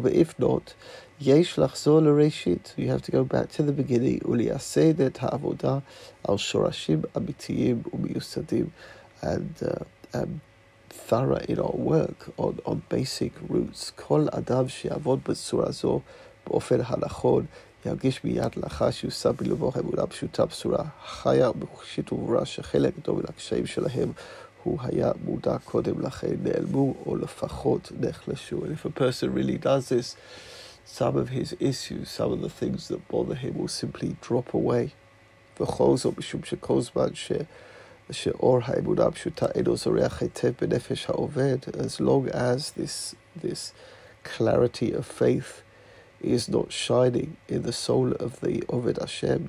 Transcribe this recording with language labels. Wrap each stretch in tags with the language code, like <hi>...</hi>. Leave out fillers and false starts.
<en>But if not, you have to go back to the beginning and thorough in our work on basic roots.</en> <he>Kol adav shi'avod b'tzura zo b'ofer halachon, ירגיש מיד לאחר שהוא עושה בלבו האמונה פשוטה בשורה חיה בחושית וברורה שחלק גדול לקשיים שלהם הוא היה מודע קודם לכן נעלמו או לפחות נחלשו.</he> <en>And if a person really does this, some of his issues, some of the things that bother him will simply drop away.</en> <he>וכל זאת משום שכל זמן שאור האמונה פשוטה אינו זורח היטב בנפש העובד,</he> <en>as long as this clarity of faith is not shining in the soul of the Oved Hashem.</en>